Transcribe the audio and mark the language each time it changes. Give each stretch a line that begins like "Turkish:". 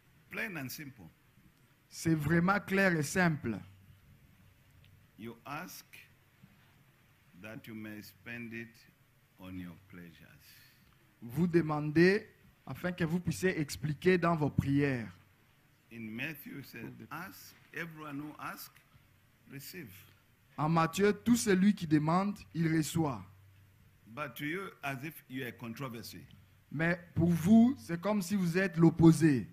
English: Plain and simple.
French: C'est vraiment clair et simple.
English: You ask that you may spend it on your pleasures.
French: Vous demandez afin que vous puissiez expliquer dans vos prières.
English: In Matthew says, ask, everyone who asks, receive.
French: En Matthieu, tout celui qui demande, il reçoit.
English: But to you, as if you are controversy.
French: Mais pour vous, c'est comme si vous êtes l'opposé.